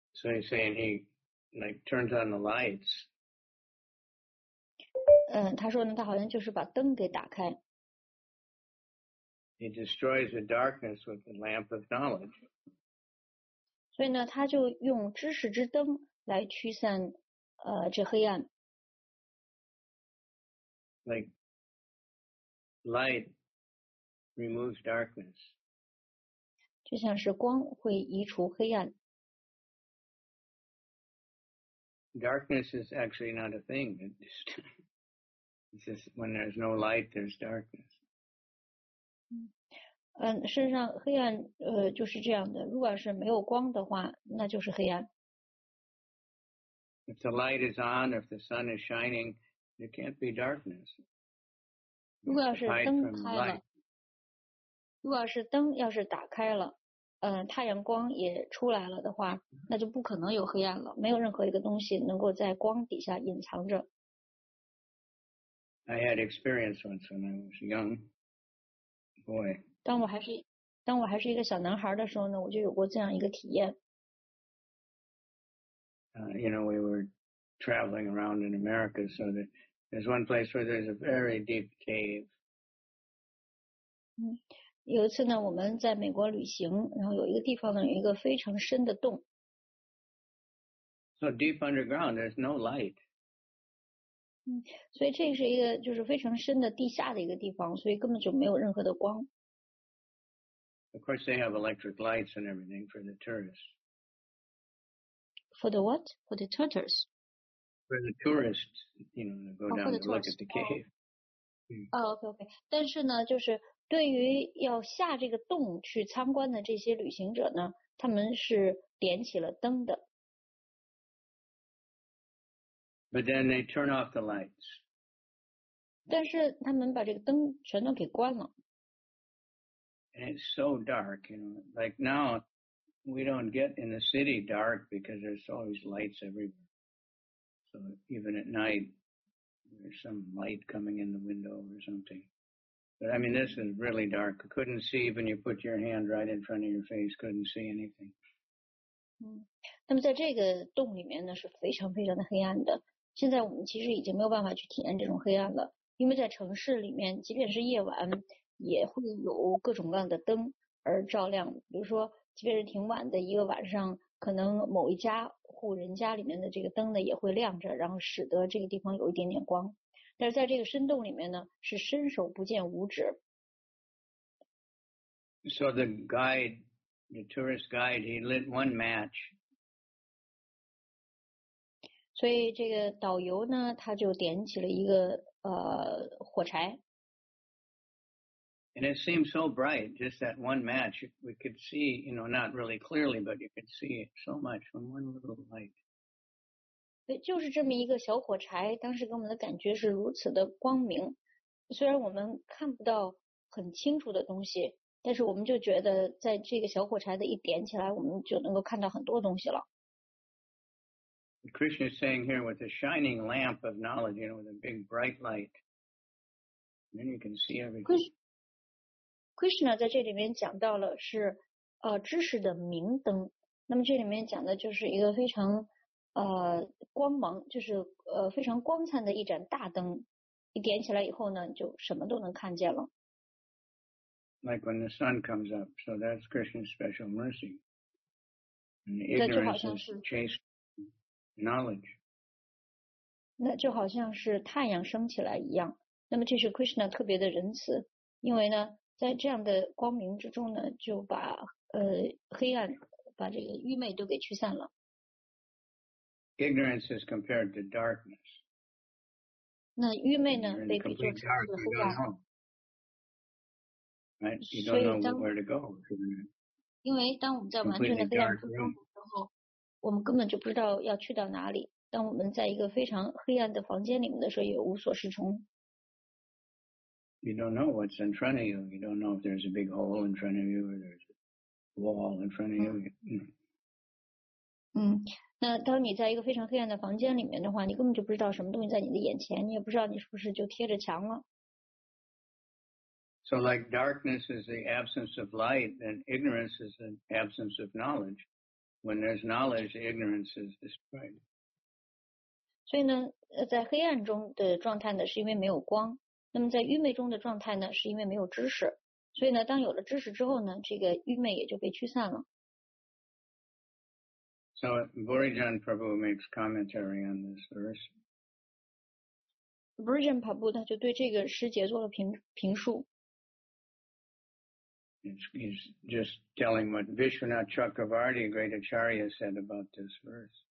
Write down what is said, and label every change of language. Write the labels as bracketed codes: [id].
[en] he's saying he like turns on the lights. [zh] 他说呢，他好像就是把灯给打开。 [en] He destroys the darkness with the lamp of knowledge. [zh] 所以呢，他就用知识之灯来驱散这黑暗。 [en] Like light removes darkness. [zh] 就像是光会移除黑暗。 [en] Darkness is actually not a thing. It's just when there's no light, there's darkness. [zh] 事实上黑暗就是这样的，如果是没有光的话，那就是黑暗。 [en] If the light is on, if the sun is shining, there can't be darkness. [zh] 如果要是灯开了，如果要是灯要是打开了，太阳光也出来了的话，那就不可能有黑暗了，没有任何一个东西能够在光底下隐藏着。 [en] I had experience once when I was a young boy. [zh] 当我还是一个小男孩的时候呢，我就有过这样一个体验。 [en] You know, we were traveling around in America, so there's one place where there's a very deep cave. [zh] 有一次呢，我们在美国旅行，然后有一个地方呢，有一个非常深的洞。 [en] So deep underground, there's no light. [zh] 所以这是一个就是非常深的地下的一个地方，所以根本就没有任何的光。 [en] Of course, they have electric lights and everything for the tourists. For the what? For the turtles? For the tourists, you know, to go down and look at the cave. Oh, okay, okay. [zh] 但是呢，就是对于要下这个洞去参观的这些旅行者呢，他们是点起了灯的。 [en] But then they turn off the lights. [zh] 但是他们把这个灯全都给关了。 [en] And it's so dark, you know, like now we don't get in the city dark because there's always lights everywhere. So even at night, there's some light coming in the window or something. But I mean, this is really dark. Couldn't see when you put your hand right in front of your face, couldn't see anything. [zh] 那么在这个洞里面呢是非常非常的黑暗的。现在我们其实已经没有办法去体验这种黑暗了。因为在城市里面即便是夜晚也会有各种各样的灯而照亮，比如说即便是挺晚的一个晚上，可能某一家户人家里面的这个灯呢也会亮着，然后使得这个地方有一点点光，但是在这个深洞里面呢是伸手不见五指。 [en] So the guide, the tourist guide, he lit one match. [zh] 所以这个导游呢他就点起了一个火柴。 [en] And it seemed so bright, just that one match. We could see, you know, not really clearly, but you could see so much from one little light. [zh] 对，就是这么一个小火柴，当时给我们的感觉是如此的光明。虽然我们看不到很清楚的东西，但是我们就觉得在这个小火柴的一点起来，我们就能够看到很多东西了。 [en] Krishna is saying here with a shining lamp of knowledge, you know, with a big bright light, then you can see everything. [zh] Krishna 在这里面讲到了是知识的明灯，那么这里面讲的就是一个非常光芒，就是非常光灿的一盏大灯，一点起来以后呢就什么都能看见了。 [en] Like when the sun comes up, so that's Krishna's special mercy. And ignorance is chased knowledge. [zh] 那就好像是太阳升起来一样，那么这是 Krishna 特别的仁慈，因为呢在这样的光明之中呢，就把黑暗，把这个愚昧都给驱散了。 [en] Ignorance is compared to darkness. [zh] 那愚昧呢，被比作黑暗。 [en] Right, you don't know where to go. [zh] 因为当我们在完全的黑暗之中的时候，我们根本就不知道要去到哪里。当我们在一个非常黑暗的房间里面的时候，也无所适从。 [en] You don't know what's in front of you. You don't know if there's a big hole in front of you or there's a wall in front of you. [zh] 那当你在一个非常黑暗的房间里面的话，你根本就不知道什么东西在你的眼前，你也不知道你是不是就贴着墙了。 [en] So like darkness is the absence of light, and ignorance is an absence of knowledge. When there's knowledge, ignorance is destroyed. [zh] 所以呢，在黑暗中的状态呢，是因为没有光。那么在愚昧中的状态呢，是因为没有知识，所以呢，当有了知识之后呢，这个愚昧也就被驱散了。 [en] So Burijan Prabhu makes commentary on this verse. [zh] Burijan Prabhu 他就对这个诗节做了评述。 [en] He's just telling what Vishwanath Chakravarti, great Acharya, said about this verse.